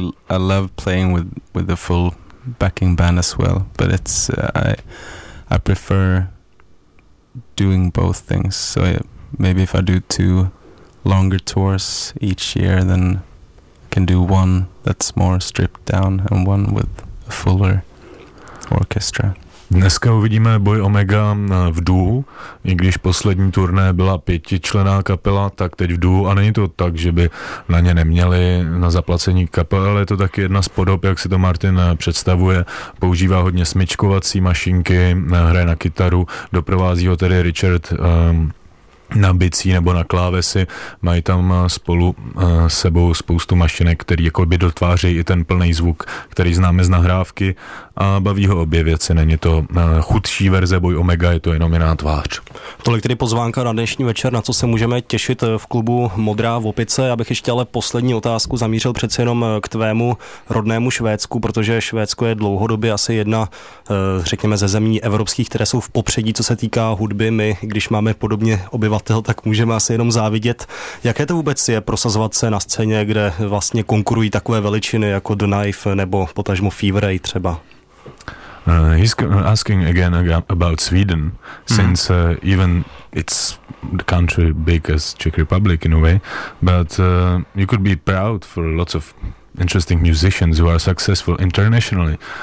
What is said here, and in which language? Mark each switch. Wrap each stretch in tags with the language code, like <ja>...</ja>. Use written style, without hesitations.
<en>I love playing with the full backing band as well, but it's I prefer doing both things. So maybe if I do two longer tours each year, then I can do one that's more stripped down and one with a fuller orchestra.</en> <cs>Dneska uvidíme Boy Omega v duu, i když poslední turné byla pětičlenná kapela, tak teď v duu, a není to tak, že by na ně neměli na zaplacení kapela, ale je to taky jedna z podob, jak si to Martin představuje, používá hodně smyčkovací mašinky, hraje na kytaru, doprovází ho tedy Richard na bicí nebo na klávesy, mají tam spolu sebou spoustu mašinek, který jako by dotvářejí i ten plný zvuk, který známe z nahrávky, a baví ho obě věci, není to chudší verze Boy Omega, je to jenom jiná tvář. Tolik tedy pozvánka na dnešní večer, na co se můžeme těšit v klubu Modrá v Opice. Abych ještě ale poslední otázku zamířil přece jenom k tvému rodnému Švédsku, protože Švédsko je dlouhodobě asi jedna, řekněme, ze zemí evropských, které jsou v popředí, co se týká hudby. My, když máme podobně obyvatel, tak můžeme asi jenom závidět. Jaké to vůbec je prosazovat se na scéně, kde vlastně konkurují takové veličiny jako The Knife nebo potažmo Fever Ray třeba?</cs> <en>He's asking again about Sweden, since even it's the country big as Czech Republic in a way, but you could be proud for lots of interesting musicians who are successful internationally.</en>